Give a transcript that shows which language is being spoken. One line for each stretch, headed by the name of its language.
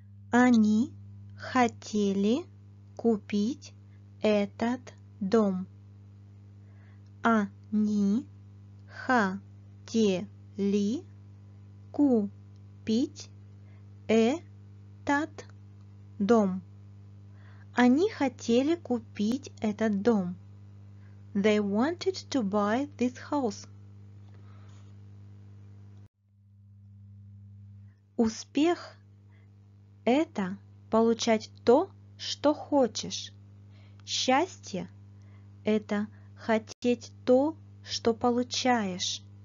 Russian: Они хотели купить этот дом. Они хотели купить этот дом. Они хотели купить этот дом.
English: They wanted to buy this house.
Russian: Успех – это получать то, что хочешь. Счастье – это хотеть то, что получаешь.